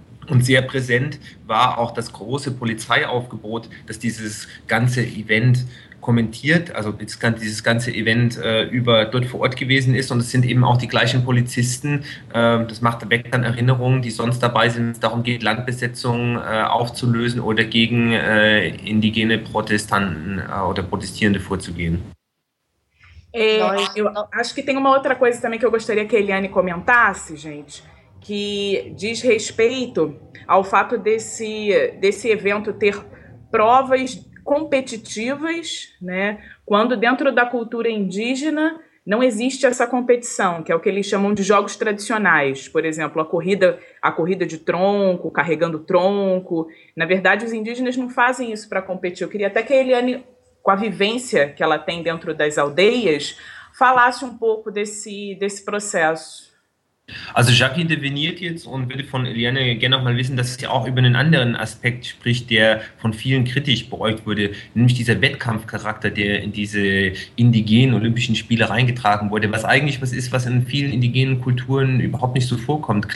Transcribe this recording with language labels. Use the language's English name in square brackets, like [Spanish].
[German] Und sehr präsent war auch das große Polizeiaufgebot, das dieses ganze Event kommentiert, also dieses ganze Event über dort vor Ort gewesen ist. Und es sind eben auch die gleichen Polizisten, das macht weg dann Erinnerungen, die sonst dabei sind, wenn es darum geht, Landbesetzungen aufzulösen oder gegen indigene Protestanten oder Protestierende vorzugehen. [Portuguese] Eu acho que tem uma outra coisa também que eu gostaria que a Eliane comentasse, gente, que diz respeito ao fato desse evento ter provas competitivas, né? Quando dentro da cultura indígena não existe essa competição, que é o que eles chamam de jogos tradicionais, por exemplo, a corrida de tronco, carregando tronco. Na verdade, os indígenas não fazem isso para competir. Eu queria até que a Eliane, com a vivência que ela tem dentro das aldeias, falasse um pouco desse processo. [German] Also Jacques interveniert jetzt und würde von Eliane gerne auch mal wissen, dass sie auch über einen anderen Aspekt spricht, der von vielen kritisch beäugt wurde, nämlich dieser Wettkampfcharakter, der in diese indigenen Olympischen Spiele reingetragen wurde, was eigentlich was ist, was in vielen indigenen Kulturen überhaupt nicht so vorkommt.